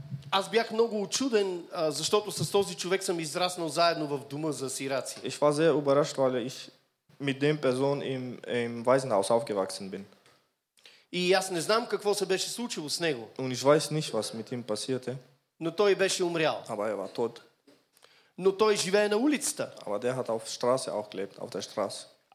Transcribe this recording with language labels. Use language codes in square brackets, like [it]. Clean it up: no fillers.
[bg] Аз бях много учуден, защото с този човек съм израснал заедно в дома за сираци. [de] Ich war sehr überrascht, weil ich mit dem Person im Waisenhaus aufgewachsen bin. [bg] И аз не знам какво се беше случило с него. [de] Und ich weiß nicht, was mit ihm passierte. [bg] Но той беше умрял. [de] Aber er war tot. [bg] Но той живее на улицата. [de] Aber der hat auf Straße auch gelebt, auf der Straße.